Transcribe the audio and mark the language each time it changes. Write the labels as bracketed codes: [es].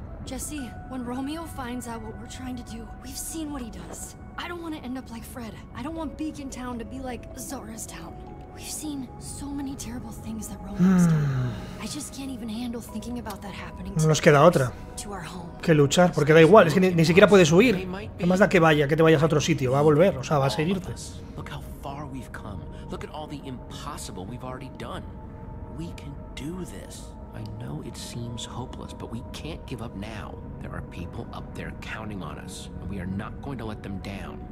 [en] Jesse, when Romeo finds out what we're trying to do, we've seen what he does. I don't want to end up like Fred. I don't want Beacon Town to be like Zara's Town. We've seen so many terrible things that Romeo's done. I just can't even handle thinking about that happening. [es] No nos queda otra que luchar, porque da igual, es que ni siquiera puedes huir. No más da que vaya, que te vayas a otro sitio, va a volver, o sea, va a seguirte. [en] Look how far we've come. Look at all the impossible we've already done. We can do this. I know it seems hopeless, but we can't give up now. There are people up there counting on us, and we are not going to let them down.